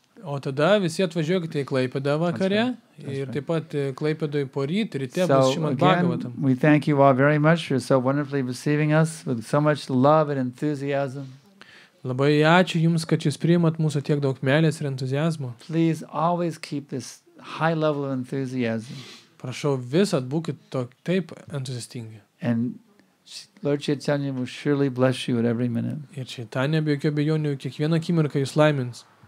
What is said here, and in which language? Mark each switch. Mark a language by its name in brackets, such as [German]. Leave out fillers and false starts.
[Lithuanian] O tada visi atvažiuokite į Klaipėdą vakare. Ir taip pat Klaipėdoj poryt ryte bus Šrimad Bhagavatam. [English] We thank you all very much for so wonderfully receiving us with so much love and enthusiasm. [Lithuanian] Labai ačiū jums, kad jūs priimat mūsų tiek daug meilės ir entuziazmo. [English] Please always keep this high level of enthusiasm. [Lithuanian] Prašau, visat būkit taip entuziastingi. [English] And Lord Chaitanya will surely bless you at every minute. [Lithuanian] Ir Chaitanya be jokio bejonių, kiekvieną akimirką jūs laimins.